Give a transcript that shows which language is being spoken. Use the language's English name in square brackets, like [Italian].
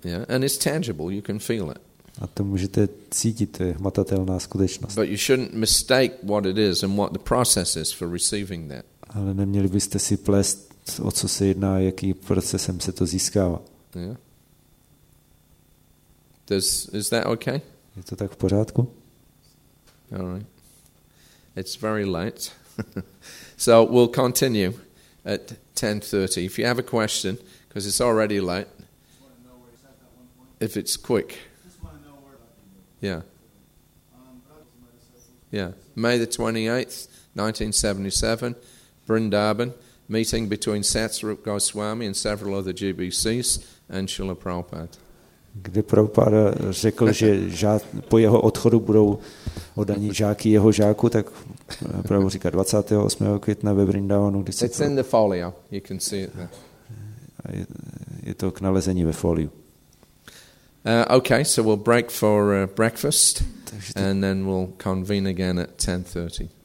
[English] Yeah, and it's tangible, you can feel it. [Czech] A to můžete cítit, to je hmatatelná skutečnost. [English] But you shouldn't mistake what it is and what the process is for receiving that. [Czech] Ale neměli byste si plést, o co se jedná, jaký procesem se to získává. [English] Yeah. Is that okay? [Czech] Je to tak v pořádku? [English] All right. It's very late. So we'll continue at 10:30. If you have a question, because it's already late. If it's quick. Yeah. Yeah. May 28th, 1977, Vrindavan, meeting between Satsarup Goswami and several other GBCs and Srila Prabhupada. [Czech] Kdy Prabhupada řekl, že po jeho odchodu budou oddaní žáky jeho žáku, tak Prabhu říká 28. května ve Vrindavanu. [English] It's in the folio. You can see it there. [Czech] Je to k nalezení ve fóliu. [English] Okay, so we'll break for breakfast and then we'll convene again at 10:30.